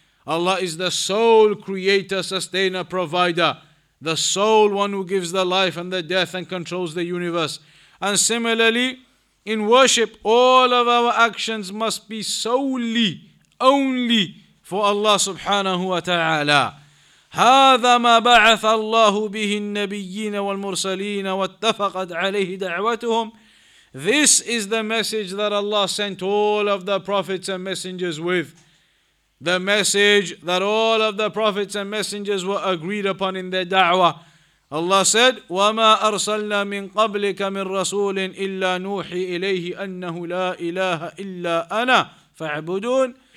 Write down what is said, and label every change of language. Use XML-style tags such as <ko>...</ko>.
<en>Allah is the sole creator, sustainer, provider, the sole one who gives the life and the death and controls the universe. And similarly, in worship, all of our actions must be solely, only for Allah subhanahu wa ta'ala.</en> <ar>هذا ما بعث الله به النبيين والمرسلين واتفقت عليه دعوتهم.</ar> <en>This is the message that Allah sent all of the prophets and messengers with. The message that all of the prophets and messengers were agreed upon in their da'wah. Allah said,</en> <ar>وَمَا أَرْسَلْنَا مِنْ قَبْلِكَ مِنْ رَسُولٍ إِلَّا نُوحِي إِلَيْهِ أَنَّهُ لَا إِلَّا أَنَا فَاعْبُدُونَ.</ar>